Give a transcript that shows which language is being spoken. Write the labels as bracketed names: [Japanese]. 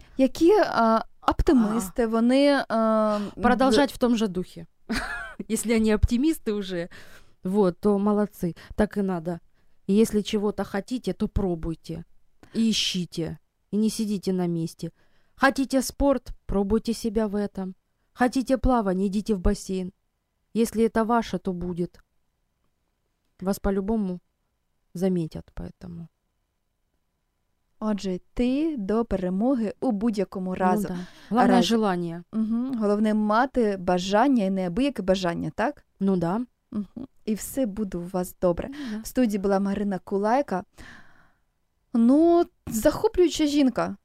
[Ukrainian] Які оптимісти, вони... продовжать в тому ж духі. Якщо вони оптимісти вже, вот, то молодці, так і треба. Якщо чого-то хочете, то пробуйте, і [Russian] ищите, [Ukrainian] і не сидіть на місці. Хочете спорт, пробуйте [Russian] себе в этом. Хотите плавание, идите в бассейн. Если это ваше, то будет. Вас по-любому заметят, поэтому. [Ukrainian] Отже, ти до перемоги у будь-якому разу. Ну, да. Головне раз... [Russian] желание. Угу. [Ukrainian] Головне мати бажання і неабияке бажання, так? Ну да. Угу. І все буде у вас добре. Ну, да. В студії була Марина Кулайка. Ну, захоплююча жінка.